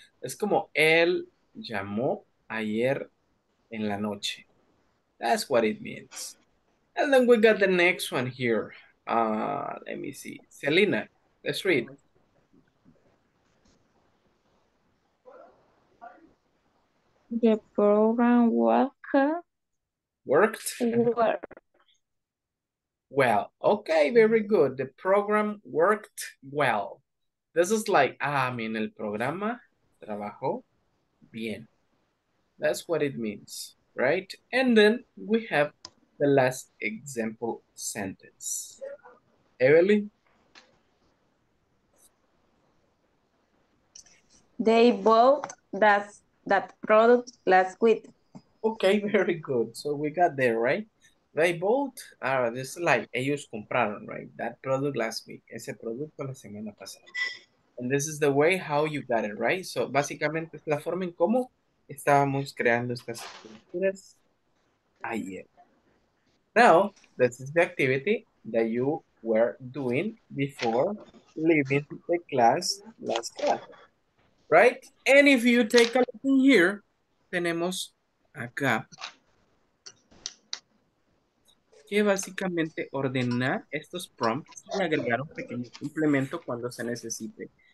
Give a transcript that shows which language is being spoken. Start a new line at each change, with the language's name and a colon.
Spanish: Es como él llamó ayer en la noche.
English: That's what it means. And then we got the next one here. Let me see. Selena, let's read. The program worked. Well, okay, very good. The program worked well. This is like,
Spanish: el programa trabajó bien.
English: That's what it means, right? And then we have the last example sentence. Evelyn? They bought that product last week. Okay, very good. So we got there, right? They bought, this is like,
Spanish: ellos compraron,
English: right? That product last week,
Spanish: ese producto la semana pasada.
English: And this is the way how you got it, right?
Spanish: So, básicamente, es la forma en cómo estábamos creando estas estructuras ayer.
English: Now, this is the activity that you were doing before leaving the class last class, right? And if you take a look in here,
Spanish: tenemos acá, que básicamente ordenar estos prompts y agregar un pequeño complemento cuando se necesite.